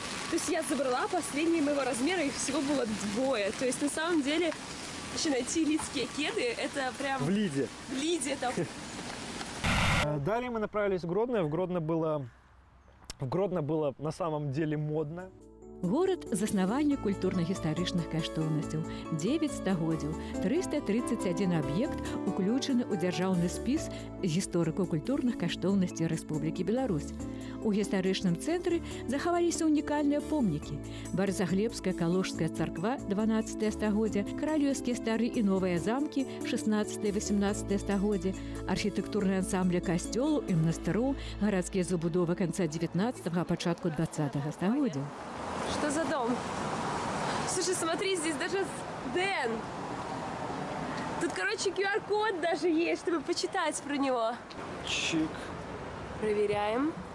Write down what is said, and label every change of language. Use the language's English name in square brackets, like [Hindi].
[Russian] То есть я забрала последние моего размера, их всего было двое. То есть на самом деле, вообще найти лидские кеды, это прям... В Лиде. В Лиде там. Далее мы направились в Гродно. В Гродно было на самом деле модно. [Belarusian] Город – заснавальник культурно-гістарычных каштоўнасцяў. 9 стагоддзяў, 331 аб'ект уключаны ў дзяржаўны спіс з гісторыка-культурных каштоўнасцей Рэспублікі Беларусь. У гістарычным цэнтры захаваліся ўнікальныя помнікі. Барзаглебская калошская царква – 12 стагоддзя, каралёўскія стары і новыя замкі – 16-18 стагоддзя, архітэктурны ансамбль касцёлу і манастыру, гарадскія забудовы канца 19-го, пачатку 20-го стагоддзя. [Russian] Что за дом? Слушай, смотри, здесь даже Дэн. Тут, короче, QR-код даже есть, чтобы почитать про него. Чик. Проверяем.